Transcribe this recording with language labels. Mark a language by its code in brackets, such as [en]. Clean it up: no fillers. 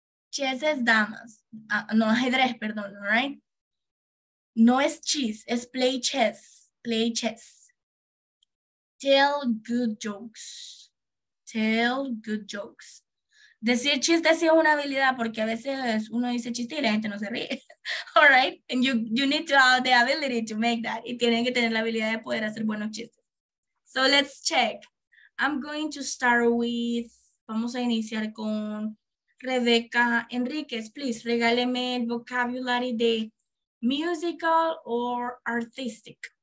[es] Chess es damas. No, ajedrez, perdón, right? No es chess, es [en] play chess. Play chess. Tell good jokes. Tell good jokes. [es] Decir chistes sí es una habilidad porque a veces uno dice chiste y la gente no se ríe. [en] All right? And you need to have the ability to make that. [es] Y tienen que tener la habilidad de poder hacer buenos chistes. [en] So let's check. I'm going to start with, [es] vamos a iniciar con Rebecca Enríquez. Please, regáleme el vocabulary de [en] musical or artistic.